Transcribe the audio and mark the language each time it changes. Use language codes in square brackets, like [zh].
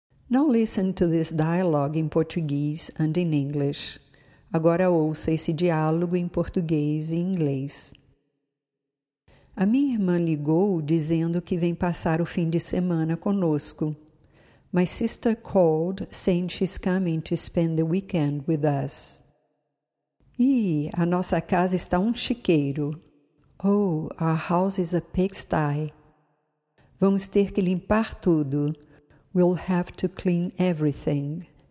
[en] Now listen to this dialogue in Portuguese and in English. [pt] Agora ouça esse diálogo em português e inglês. A minha irmã ligou dizendo que vem passar o fim de semana conosco. [en] My sister called saying she's coming to spend the weekend with us. [pt] Ih, a nossa casa está um chiqueiro. [en] Oh, our house is a pigsty. [pt] Vamos ter que limpar tudo. [en] We'll have to clean everything.